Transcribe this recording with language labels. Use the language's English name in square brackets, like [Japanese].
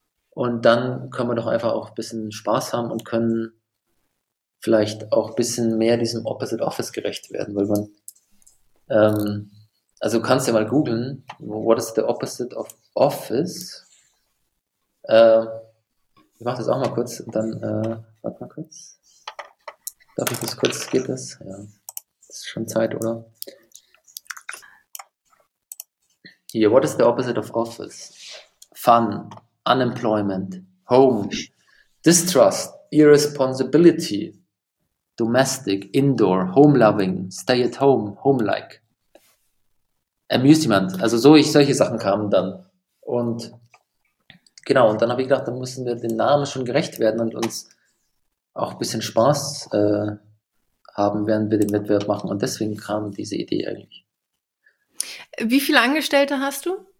[German] Und dann können wir doch einfach auch ein bisschen Spaß haben und können vielleicht auch ein bisschen mehr diesem Opposite Office gerecht werden, weil man, also kannst ja mal googeln, [English] what is the opposite of office? [German] Ich mach das auch mal kurz und dann, warte mal kurz. Darf ich das kurz, geht das? Ja, das ist schon Zeit, oder? Hier, [English] what is the opposite of office? Fun, unemployment, home, distrust, irresponsibility, domestic, indoor, home loving, stay at home, home like, amusement. [German] Also solche Sachen kamen dann. Und genau, und dann habe ich gedacht, da müssen wir dem Namen schon gerecht werden und uns auch ein bisschen Spaß haben, während wir den Wettbewerb machen. Und deswegen kam diese Idee eigentlich. Wie viele Angestellte hast du?